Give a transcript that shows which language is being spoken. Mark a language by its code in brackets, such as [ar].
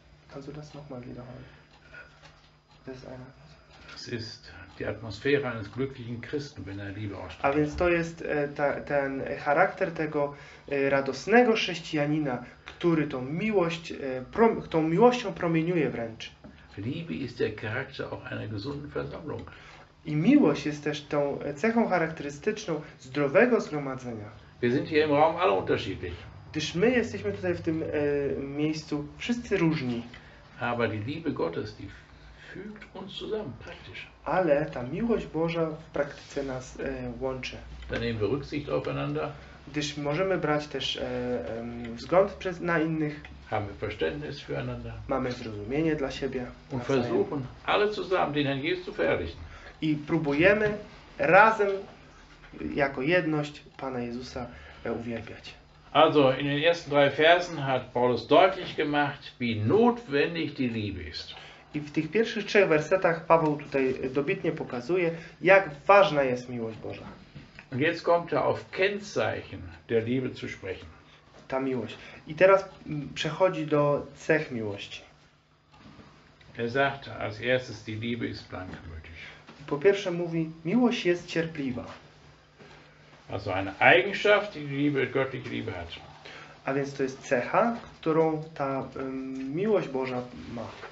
[de] Kannst du das nochmal wiederholen? Es ist die Atmosphäre eines glücklichen Christen, wenn er Liebe ausstrahlt. [pl] A więc to jest ten charakter tego radosnego chrześcijanina, który tą miłość, tą miłością promieniuje wręcz. [de] Liebe ist der Charakter auch einer gesunden Versammlung. [pl] I miłość jest też tą cechą charakterystyczną zdrowego zgromadzenia. [de] Wir sind hier im Raum alle unterschiedlich. [pl] Gdyż my jesteśmy tutaj w tym miejscu wszyscy różni. [de] Aber die Liebe Gottes, die fügt uns zusammen, praktisch. [pl] Ale ta miłość Boża w praktyce nas łączy. [de] Dann nehmen wir Rücksicht aufeinander. [pl] Gdyż możemy brać też wzgląd na innych. [de] Haben wir Verständnis füreinander. [pl] Mamy zrozumienie dla siebie. [de] Und versuchen alle zusammen den Herrn Jesus zu verherrlichen. [pl] I próbujemy razem, jako jedność, Pana Jezusa uwielbiać. [de] Also, in den ersten drei Versen hat Paulus deutlich gemacht, wie notwendig die Liebe ist. [pl] I w tych pierwszych trzech wersetach Paweł tutaj dobitnie pokazuje, jak ważna jest miłość Boża. [de] Und jetzt kommt er auf Kennzeichen der Liebe zu sprechen. [pl] Ta miłość. I teraz przechodzi do cech miłości. [de] Er sagt, als erstes, die Liebe ist blankmütig. [pl] Po pierwsze mówi, miłość jest cierpliwa. [de] Also eine Eigenschaft, die Liebe, göttliche Liebe hat. [pl] A więc to jest cecha, którą ta miłość Boża ma.